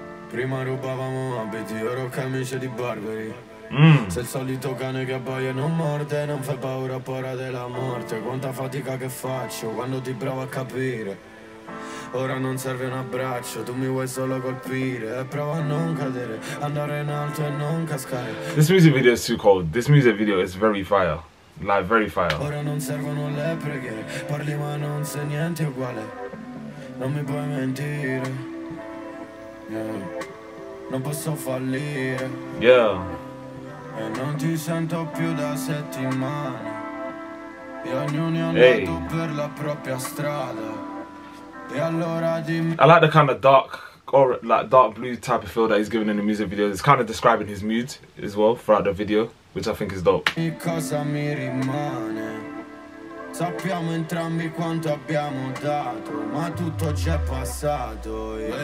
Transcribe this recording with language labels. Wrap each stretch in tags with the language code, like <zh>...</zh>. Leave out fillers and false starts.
<it>Prima rubavamo abiti, ero camicia di barberi. Sei il solito cane che abbaia non morde, non fai paura, paura della morte. Quanta fatica che faccio quando ti provo a capire. Ora non serve un abbraccio, tu mi vuoi solo colpire. Prova a non cadere, andare in alto e non cascare.</it> <en>This music video is too cold. This music video is very fire. Like, very fire.</en> <it>Ora non servono le preghiere, parli ma non sei niente uguale. Non mi puoi mentire. Non posso fallire. Yeah. E non ti sento più da settimane. E ognuno è andato per la propria strada.</it> <en>I like the kind of dark or like dark blue type of feel that he's giving in the music video. It's kind of describing his mood as well throughout the video, which I think is dope.</en> <it>Cosa mi rimane? Sappiamo entrambi quanto abbiamo dato, ma tutto c'è passato.</it>